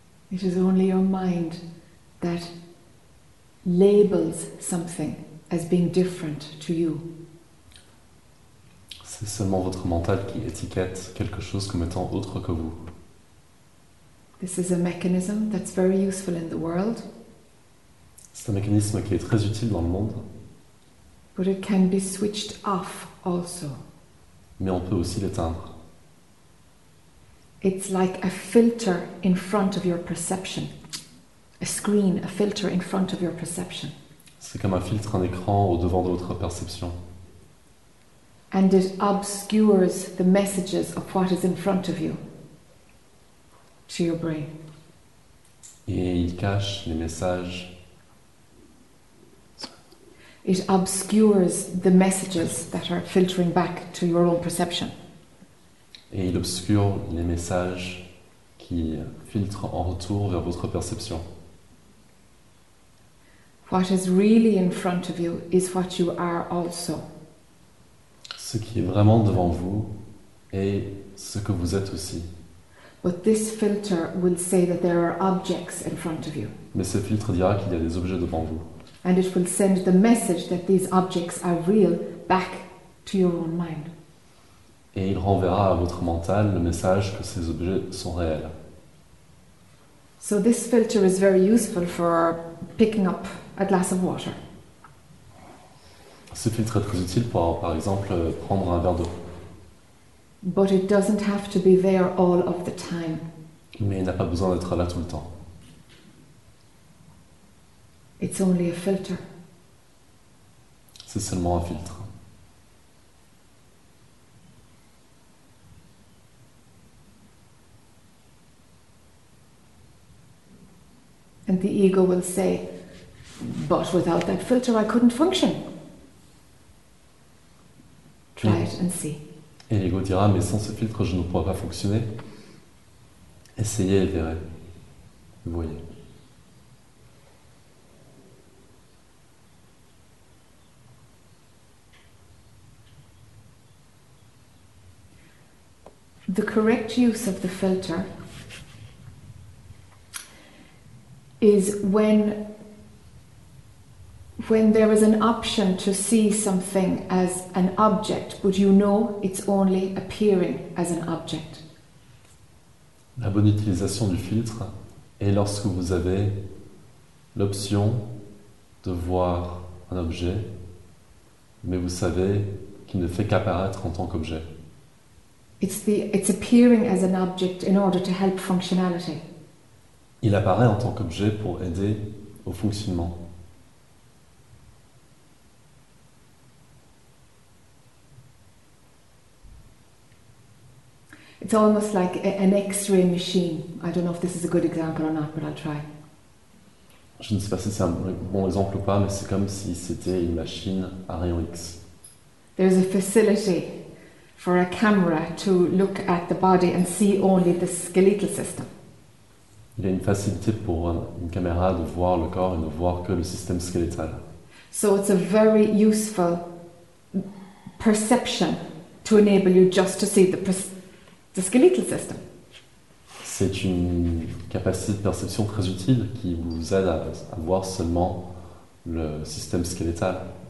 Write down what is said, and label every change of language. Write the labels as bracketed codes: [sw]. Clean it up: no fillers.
[en] It is only your mind that labels something as being different to you. [fr] C'est seulement votre mental qui étiquette quelque chose comme étant autre que vous. [en] This is a mechanism that's very useful in the world. [fr] C'est un mécanisme qui est très utile dans le monde. [en] But it can be switched off also. [fr] Mais on peut aussi l'éteindre. [en] It's like a filter in front of your perception. A screen, a filter in front of your perception. [fr] C'est comme un filtre, un écran au-devant de votre perception. [en] And it obscures the messages of what is in front of you to your brain. [fr] Et il cache les messages. [en] It obscures the messages that are filtering back to your own perception. [fr] Et il obscure les messages qui filtrent en retour vers votre perception. [en] What is really in front of you is what you are also. [fr] Ce qui est vraiment devant vous est ce que vous êtes aussi. [en] But this filter will say that there are objects in front of you. [fr] Mais ce filtre dira qu'il y a des objets devant vous. [en] And it will send the message that these objects are real back to your own mind. [fr] Et il renverra à votre mental le message que ces objets sont réels. [en] So this filter is very useful for picking up a glass of water. [fr] Ce filtre est très utile pour, par exemple, prendre un verre d'eau. [en] But it doesn't have to be there all of the time. [fr] Mais il n'a pas besoin d'être là tout le temps. [en] It's only a filter. [fr] C'est seulement un filtre. [en] And the ego will say, but without that filter I couldn't function. Try it and see. [fr] Et l'ego dira, mais sans ce filtre je ne pourrais pas fonctionner. Essayez et verrez. Vous voyez. [en] The correct use of the filter is when there is an option to see something as an object, but you know it's only appearing as an object. [fr] La bonne utilisation du filtre est lorsque vous avez l'option de voir un objet, mais vous savez qu'il ne fait qu'apparaître en tant qu'objet. [en] It's appearing as an object in order to help functionality. [fr] Il apparaît en tant qu'objet pour aider au fonctionnement. [en] It's almost like an X-ray machine. I don't know if this is a good example or not, but I'll try. [fr] Je ne sais pas si c'est un bon exemple ou pas, mais c'est comme si c'était une machine à rayon X. [en] There's a facility for a camera to look at the body and see only the skeletal system. [fr] Il y a une facilité pour une caméra de voir le corps et ne voir que le système squelettal. [en] So it's a very useful perception to enable you just to see the skeletal system. [fr] C'est une capacité de perception très utile qui vous aide à voir seulement le système squelettal.